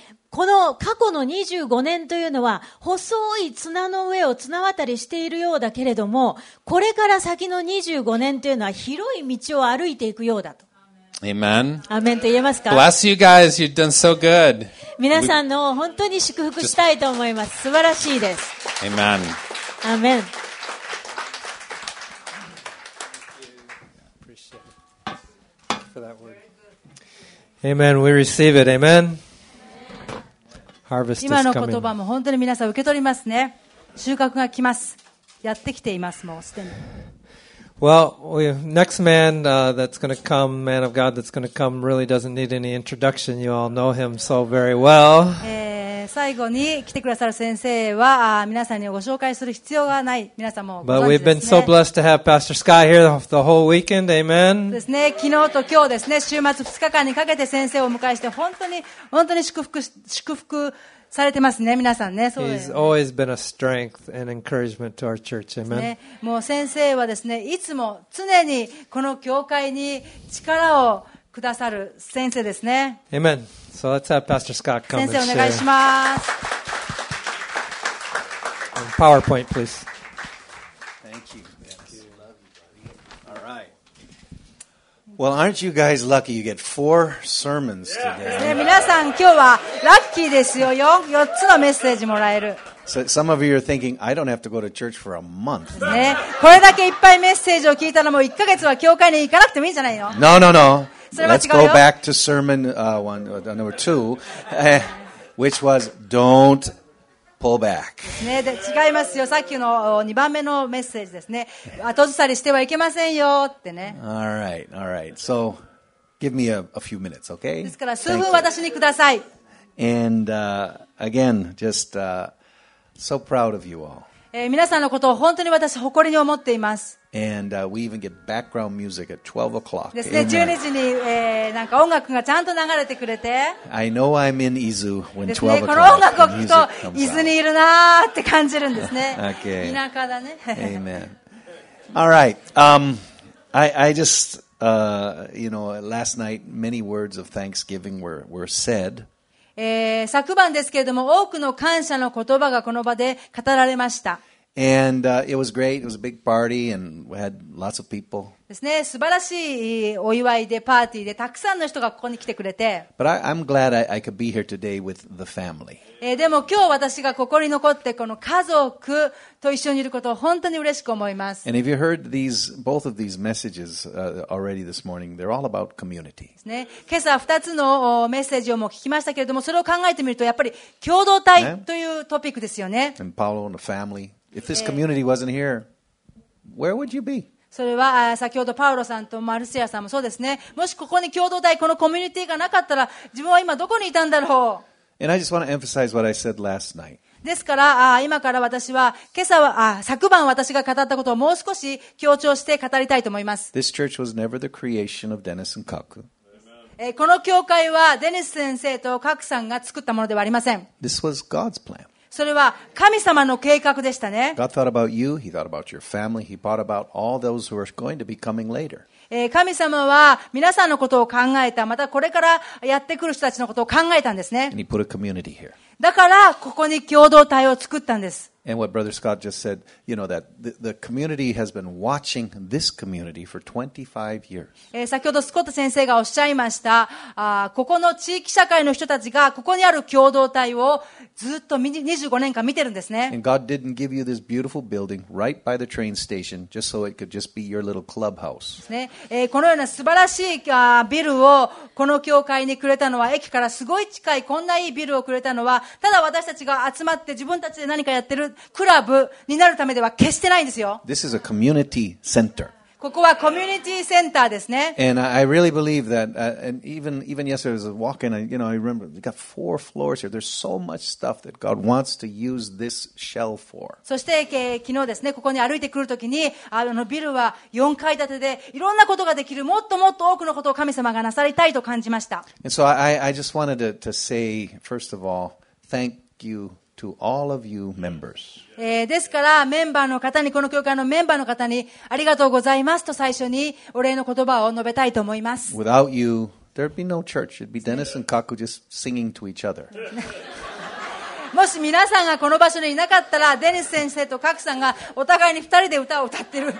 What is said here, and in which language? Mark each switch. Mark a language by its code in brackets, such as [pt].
[ja] この過去の25年というのは細い綱の上を綱渡りしているようだけれども、これから先の25年というのは広い道を歩いていくようだと。 [en] Amen. [ja] アーメンと言えますか。 [en] Bless you guys. You've done so good. [ja] 皆さんの本当に祝福したいと思います。素晴らしいです。 [en] Amen. [ja] アーメン。 [en] Amen. We receive it. Amen. Harvest is coming. [ja] 今の言葉も本当に皆さん受け取りますね。収穫が来ます。やってきています。もうすでに。 [en] Well, next man that's going to come, man of God that's going to come, really doesn't need any introduction. You all know him so very well. [ja] 最後に来てくださる先生は皆さんにご紹介する必要がない。皆さんもご存知ですね。 [en] But we've been so blessed to have Pastor Sky here the whole weekend. Amen. [ja] ですね。昨日と今日ですね。週末2日間にかけて先生をお迎えして本当に本当に祝福されてますね皆さんね。そうですね。 [en] He's always been a strength and encouragement to our church. Amen. [ja] もう先生はですね、いつも常にこの教会に力をくださる先生ですね。 [en] Amen. So let's have Pastor Scott come. [ja] 先生お願いします。 [en] PowerPoint, please. Thank you. All right. Well, aren't you guys lucky? You get four sermons today. [ja] 皆さん今日はラッキーですよ。四つのメッセージもらえる。 [en] So some of you are thinking, I don't have to go to church for a month. [ja] ね、これだけいっぱいメッセージを聞いたらもう一ヶ月は教会に行かなくてもいいんじゃないの [en] ？No, no, no. Let's go back to sermon number two, which was don't pull back. [ja] ね、で違いますよ。さっきの二番目のメッセージですね。後ずさりしてはいけませんよってね。 [en] All right, all right. So give me a few minutes, okay? [ja] ですから数分私にください。 [en] And again, just so proud of you all. [ja] 皆さんのことを本当に私誇りに思っています。 [en] And, we even get background music at 12 o'clock. [ja] ですね、12時に、なんか音楽がちゃんと流れてくれて。 [en] I know I'm in Izu when 12 [ja] ですね、この音楽を聞くと伊豆にいるなーって感じるんですね。 [en] okay. [ja] 田舎だね。 [en] Amen. All right. I just, you know, last night many words of thanksgiving were said. [ja] 昨晩ですけれども多くの感謝の言葉がこの場で語られました。 [en] And, it was great. It was a big party and we had lots of people. [ja] ですね、素晴らしいお祝いでパーティーでたくさんの人がここに来てくれて。 [en] But I'm glad I could be here today with the family. [ja] でも今日私がここに残ってこの家族と一緒にいることを本当に嬉しく思います。 [en] And if you heard these, both of these messages already this morning, they're all about community. [ja] ですね、今朝2つのメッセージをも聞きましたけれども、それを考えてみるとやっぱり共同体というトピックですよね。 [en] And Paulo and the family. If this community wasn't here, where would you be? [ja] それは先ほどパウロさんとマルシアさんもそうですね。もしここに共同体このコミュニティがなかったら、自分は今どこにいたんだろう。 [en] And I just want to emphasize what I said last night. [ja] ですから今から私は今朝は昨晩私が語ったことをもう少し強調して語りたいと思います。 [en] This church was never the creation of Dennis and Kaku. [ja] この教会はデニス先生とカクさんが作ったものではありません。 [en] This was God's plan. [ja] それは神様の計画でしたね。 [en] God thought about you, He thought about your family, He thought about all those who are going to be coming later. [ja] 神様は皆さんのことを考えた、またこれからやってくる人たちのことを考えたんですね。 [en] And He put a community here. [ja] だからここに共同体を作ったんです。 [en] And what Brother Scott just said, you know, that the community has been watching this community for 25 years. [ja] 先ほどスコット先生がおっしゃいました、ここの地域社会の人たちがここにある共同体をずっと25年間見てるんですね。 [en] And God didn't give you this beautiful building right by the train station just so it could just be your little clubhouse. [ja] ね、このような素晴らしいビルをこの教会にくれたのは、駅からすごい近いこんないいビルをくれたのは、ただ私たちが集まって自分たちで何かやってるクラブになるためでは決してないんですよ。 [en] This is a community center. [ja] ここはコミュニティセンターですね。 [en] And I really believe that, and even yesterday as I was walking, you know, I remember we got four floors here. There's so much stuff that God wants to use this shell for. [ja] そして昨日ですね、ここに歩いてくるときに、あのビルは4階建てで、いろんなことができる、もっともっと多くのことを神様がなさりたいと感じました。 [en] And so I just wanted to say, first of all, thank you. To all of you members. [ja] ですからメンバーの方にこの教会のメンバーの方にありがとうございますと最初にお礼の言葉を述べたいと思います。 [en] Without you, there'd be no church. It'd be Dennis and Kaku just singing to each other. [ja] もし皆さんがこの場所にいなかったら、デニス先生とカクさんがお互いに二人で歌を歌ってる。